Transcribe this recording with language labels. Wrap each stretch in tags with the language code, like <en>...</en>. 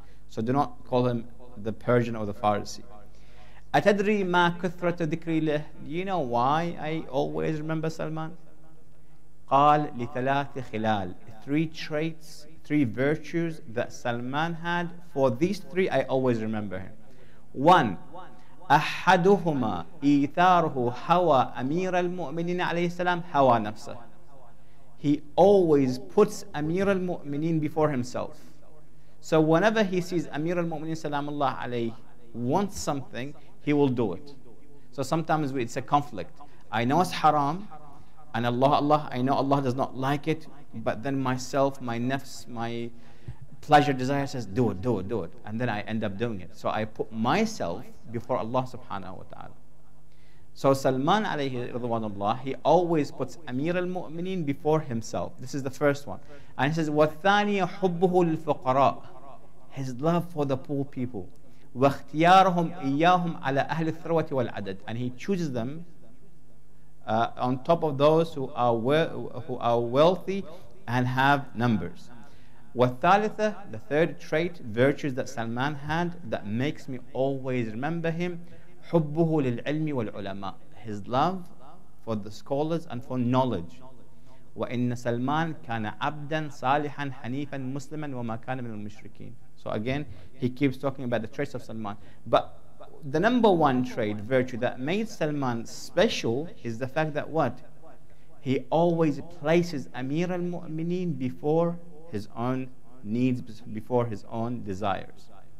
<en>So do not call him the Persian or the Farsi.</en> <ar>أتدري ما كثرة ذكري له?</ar> <en>Do you know why I always remember Salman?</en> <ar>قال لثلاث خلال.</ar> <en>Three traits, three virtues that Salman had. For these three, I always remember him. One,</en> <ar>أحدهما إيثاره هوى أمير المؤمنين عليه السلام هوى نفسه.</ar> <en>He always puts أمير المؤمنين before himself. So whenever he sees أمير المؤمنين سلام الله عليه wants something, he will do it. So sometimes it's a conflict. I know it's haram, and Allah, I know Allah does not like it, but then myself, my nafs, my pleasure, desire says, do it. And then I end up doing it. So I put myself before Allah subhanahu wa ta'ala. So Salman alayhi radhiwanullah, he always puts Amir al-Mu'mineen before himself. This is the first one. And he says,</en> <ar>وَالثَّانِيَ حُبُّهُ لِلْفُقَرَاءِ,</ar> <en>his love for the poor people.</en> <ar>وَاخْتِيَارُهُمْ إِيَّاهُمْ عَلَىٰ أَهْلِ الثَّرْوَةِ وَالْعَدَدِ,</ar> <en>and he chooses them on top of those who are wealthy and have numbers.</en> <ar>والثالثة,</ar> <en>the third trait, virtues that Salman had that makes me always remember him,</en> <ar>حبه للعلم والعلماء,</ar> <en>his love for the scholars and for knowledge.</en> <ar>وإن سلمان كان عبدا صالحا حنيفا مسلما وما كان من المشركين.</ar> <en>So again, he keeps talking about the traits of Salman. But the number one trait, virtue that made Salman special is the fact that what? He always places Amir al-Mu'mineen before his own needs, before his own desires.</en>